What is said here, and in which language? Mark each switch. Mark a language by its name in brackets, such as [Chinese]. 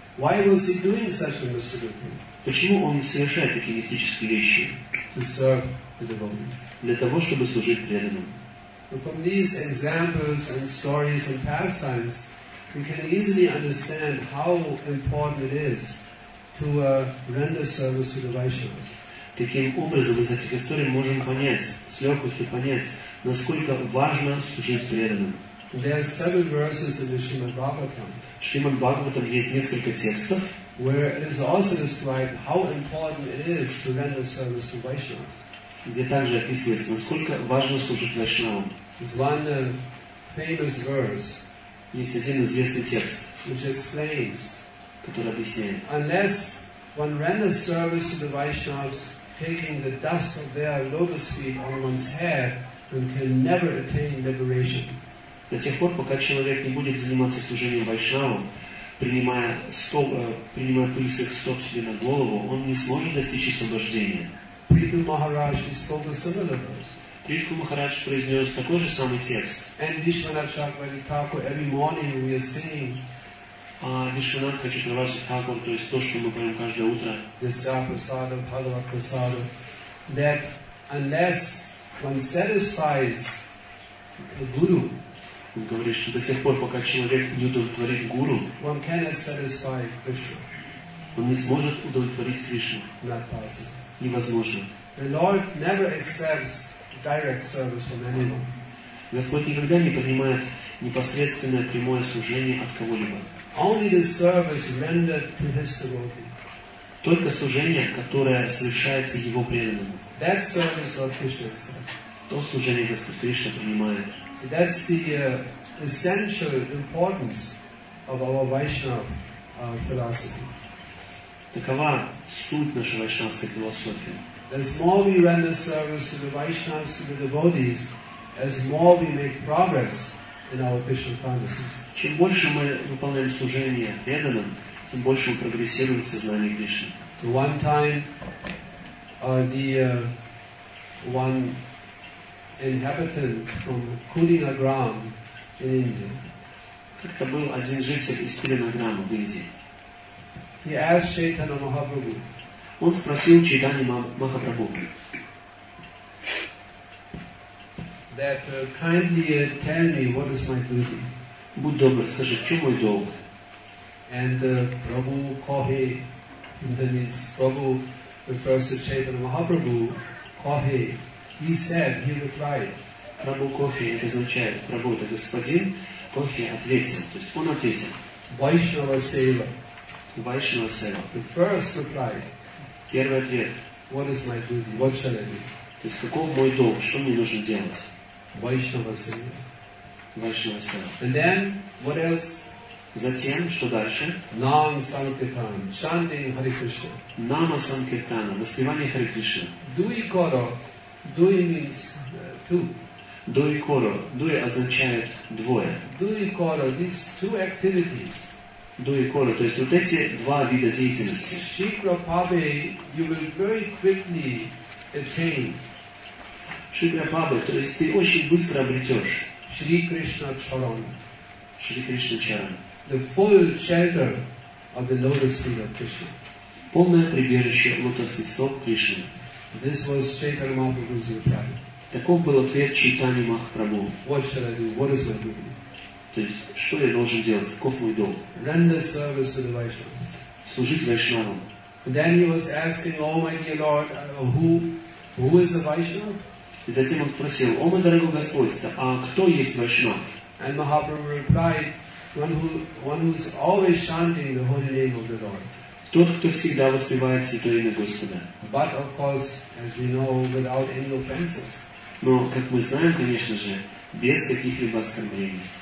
[English] Why was he doing such a mystical thing? [Russian] Почему он совершает такие мистические вещи? [English] To serve the devotees. [Russian] Для того, чтобы служить преданным. [English] But from these examples and stories and pastimes, we can easily understand how important it is to render service to the Vaishnavas. [Russian] Таким образом, из этих историй можем понять, с легкостью понять, насколько важно служить преданным. [English] There are seven verses in the Srimad Bhagavatam. [Russian] В Шримад Бхагаватам есть несколько текстов, [English] where it is also described how important it is to render service to Vaishnavas. [Russian] Где также описывается, насколько важно служить Вайшнавам. [English] It's one famous verse. [Russian] Есть один известный текст, [English] which explains, [Russian] который объясняет. [English] Unless one renders service to the Vaishnavas, taking the dust of their lotus feet on one's hair, one can never attain liberation. [Russian] До тех пор, пока человек не будет заниматься служением Вайшнавам, принимая стоп, принимая пыль с их стоп себе на голову, он не сможет достичь освобождения. [English] Приту Махарадж spoke a similar verse. [Russian] Приту Махарадж произнес такой же самый текст. [English] And Vishwanath Chakravarti, every morning we are singing. [Russian] А Вишванат Хачатраварти Тхакур, то есть то, что мы поем каждое утро. [Sanskrit] Дасяпрасада, Бхагавапрасада. [English] That unless one satisfies the Guru, [Russian] он говорит, что до тех пор, пока человек не удовлетворит Гуру, [English] one cannot satisfy Krishna. [Russian] Он не сможет удовлетворить Кришну. [English] Not possible. [Russian] Невозможно. [English] The Lord never accepts direct service from anyone. [Russian] Господь никогда не принимает непосредственное прямое служение от кого-либо. [English] Only the service rendered to his devotee. [Russian] Только служение, которое совершается его преданному. [English] That service Lord Krishna accepts. [Russian] То служение Господь Кришна принимает. [English] So that's the essential importance of our Vaishnava philosophy. [Russian] Такова суть нашей вайшнавской философии. [English] As more we render service to the Vaishnavas, to the devotees, as more we make progress in our Krishna consciousness. [Russian] Чем больше мы выполняем служение преданным, тем больше мы прогрессируем в сознании Кришны. [English] So one time, one inhabitant from Kulinagram in India. [Russian] Как-то был один житель из Кулинаграма в Индии. [English] He asked Chaitanya Mahaprabhu. [Russian] Он спросил Чайтанью Махапрабху. [English] That kindly tell me what is my duty. [Russian] Будь добр, скажи, в чем мой долг? [English] And Prabhu Kohe, that means Prabhu refers to Chaitanya Mahaprabhu, Kohe, he said, he replied. [Bangla] Prabhu Kohe, [Russian] это означает, Prabhu, это господин, Kohe ответил, то есть он ответил. [Bangla] Vaishnava Seva. Vaishnava Seva. [English] The first reply. [Russian] Первый ответ. [English] What is my duty? What shall I do? [Russian] То есть каков мой долг? Что мне нужно делать? [Bangla] Vaishnava Seva. Vaishnava Seva. [English] And then, what else? [Russian] Затем, что дальше? [Bangla] Nama Sankirtana. [English] Chanting Hare Krishna. [Bangla] Nama Sankirtana. [Russian] Воспевание Hare Krishna. [Bangla] Dui Koro. [English] Dui means two. [Bangla] Dui Koro. [Russian] Dui означает двое. [Bangla] Dui Koro. [English] These two activities. [Russian] Дуи Кора, то есть вот эти два вида деятельности. [English] Шри Прабхупаде, you will very quickly attain. [Russian] Шри Прабхупаде, то есть ты очень быстро обретешь. [Bangla] Шри Кришна Чаран. Шри Кришна Чаран. [English] The full shelter of the lotus feet of Krishna. [Russian] Полное прибежище лотосных стоп Кришны. [English] This was Chaitanya Mahaprabhu's reply. [Russian] Таков был ответ Чайтаньи Махапрабху. [English] What shall I do? What is my duty? [Russian] То есть, что я должен делать? Каков мой долг? [English] Render service to the Vaishnava. [Russian] Служить Вайшнавам. [English] Then he was asking, oh my dear Lord, who is a Vaishnava? [Russian] И затем он спросил, о мой дорогой Господь, а кто есть Вайшнав? [English] And Mahaprabhu replied, one who is always chanting the holy name of the Lord. [Russian] Тот, кто всегда воспевает святое имя Господа. [English] But of course, as we know, without any offenses. [Russian] Но, как мы знаем, конечно же, без каких-либо оскорблений.